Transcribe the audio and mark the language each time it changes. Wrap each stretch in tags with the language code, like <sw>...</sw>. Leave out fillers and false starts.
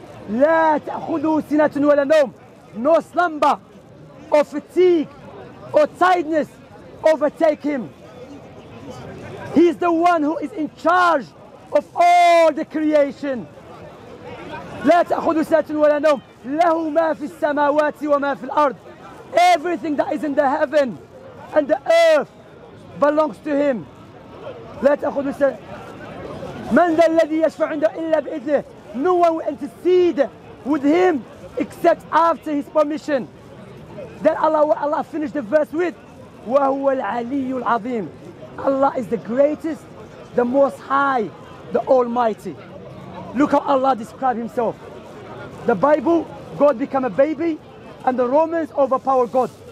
<ar>لا تأخذه سنة ولا نوم.</ar> <en>No slumber or fatigue or tiredness overtake him. He is the one who is in charge of all the creation.</en> <ar>لا تأخذه سنة ولا نوم. له ما في السماوات وما في الأرض.</ar> <en>Everything that is in the heaven and the earth belongs to him.</en> <ar>لا تأخذه سنة. من ذا الذي يشفع عنده إلا بإذنه.</ar> <en>No one will intercede with him except after his permission. Then Allah finished the verse with,</en> <ar>وَهُوَ الْعَلِيُّ الْعَظِيمُ.</ar> <en>Allah is the greatest, the most high, the almighty. Look how Allah described himself. The Bible, God became a baby, and the Romans overpowered God.</en>